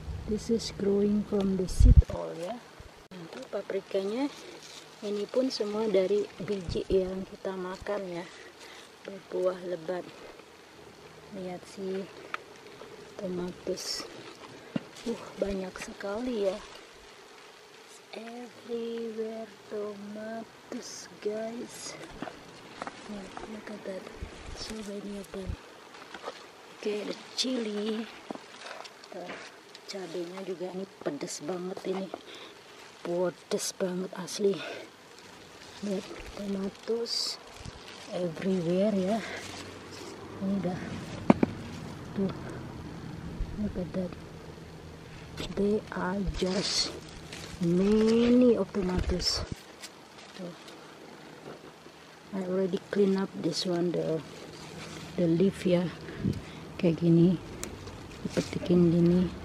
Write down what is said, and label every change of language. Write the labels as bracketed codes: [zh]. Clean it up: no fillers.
[en] This is growing from the seed all ya. [id] Itu paprikanya, ini pun semua dari biji yang kita makan ya, berbuah lebat. Lihat si tomatus, banyak sekali ya. [en] It's everywhere tomatus guys. Look at that, so many of them. Okay, the chili. [id] Cabenya juga ini pedes banget, ini pedes banget asli. Lihat tomatus everywhere ya. Ini dah tuh, [en] look at that, they are just many of tomatoes. Tuh, I already clean up this one, the leaf ya, [id] kayak gini dipetikin gini.